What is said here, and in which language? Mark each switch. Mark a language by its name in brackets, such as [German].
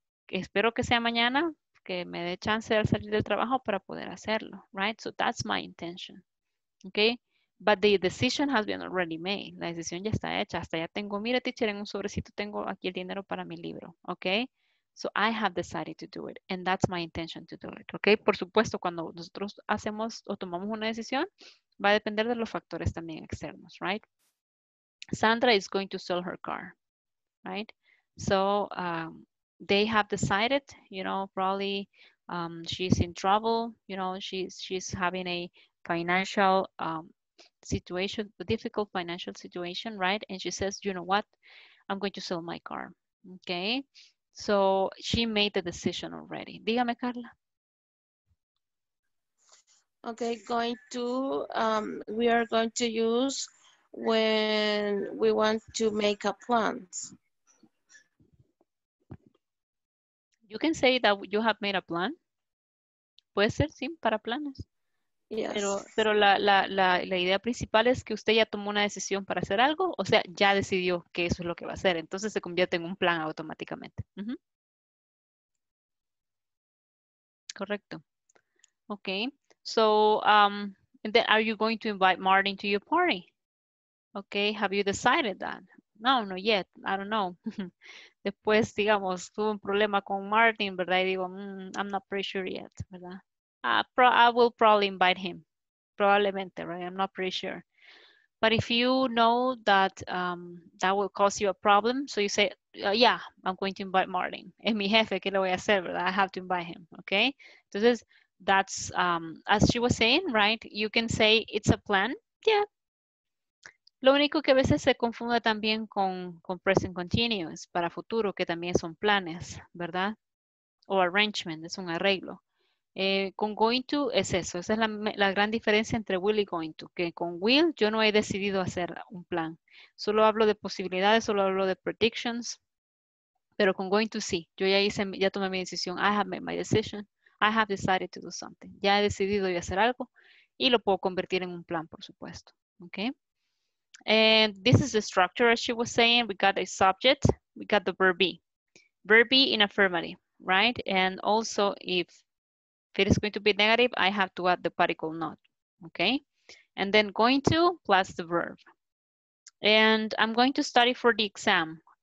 [Spanish] Espero que sea mañana, que me dé chance de salir del trabajo para poder hacerlo, right? [English] So that's my intention, okay? But the decision has been already made. [Spanish] La decisión ya está hecha. Hasta ya tengo, mire, teacher, en un sobrecito tengo aquí el dinero para mi libro, okay? [English] So I have decided to do it, and that's my intention to do it, okay? [Spanish] Por supuesto, cuando nosotros hacemos o tomamos una decisión, va a depender de los factores también externos, right? [English] Sandra is going to sell her car, right? So they have decided, you know, probably she's in trouble, you know, she's having a financial situation, a difficult financial situation, right? And she says, you know what? I'm going to sell my car, okay? So she made the decision already. [Spanish] Dígame, [English] Carla. Okay, going to, we are going to use when we want to make a plan. You can say that you have made a plan. [Spanish] Puede ser, sí, para planes. [English] Yes. [Spanish] Pero la idea principal es que usted ya tomó una decisión para hacer algo, o sea, ya decidió que eso es lo que va a hacer. Entonces se convierte en un plan automáticamente. Uh-huh. Correcto. Okay. [English] So, and then are you going to invite Martin to your party? Okay, have you decided that? No, not yet. I don't know. [Spanish] Después, digamos, tuve un problema con Martin, ¿verdad? Y digo, [English] I'm not pretty sure yet, [Spanish] ¿verdad? [English] I will probably invite him, [Spanish] probablemente, [English] right? I'm not pretty sure. But if you know that that will cause you a problem, so you say, yeah, I'm going to invite Martin. [Spanish] Es mi jefe, ¿qué le voy a hacer, verdad? [English] I have to invite him, okay? Entonces, that's, as she was saying, right? You can say it's a plan, yeah. [Spanish] Lo único que a veces se confunde también con present continuous, para futuro, que también son planes, ¿verdad? O arrangement, es un arreglo. Con going to es eso, esa es la gran diferencia entre will y going to, que con will yo no he decidido hacer un plan, solo hablo de posibilidades, solo hablo de predictions, pero con going to sí, yo ya hice, ya tomé mi decisión, [English] I have made my decision, I have decided to do something, [Spanish] ya he decidido yo hacer algo y lo puedo convertir en un plan, por supuesto, okay. [English] And this is the structure, as she was saying, we got a subject, we got the verb be in affirmative, right, and also if it is going to be negative, I have to add the particle not, okay? And then going to plus the verb. And I'm going to study for the exam.